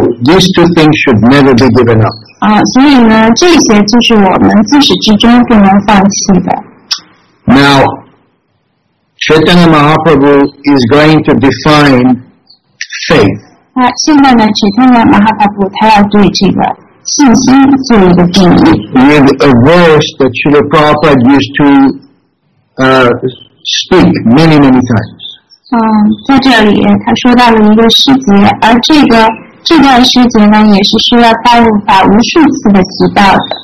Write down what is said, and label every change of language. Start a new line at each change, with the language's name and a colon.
English: these two things should never be given up.
Chinese: 所以呢，这些就是我们自始至终不能放弃的。
English: Now, Chaitanya Mahaprabhu is going to define faith.
Chinese: 现在呢，Chaitanya Mahaprabhu他要对这个信心做一个定义。
English: With a verse that Srila Prabhupada used to speak many, many times.
Chinese: 在这里他说到了一个细节，而这个这段细节呢，也是需要大陆法无数次的提到的。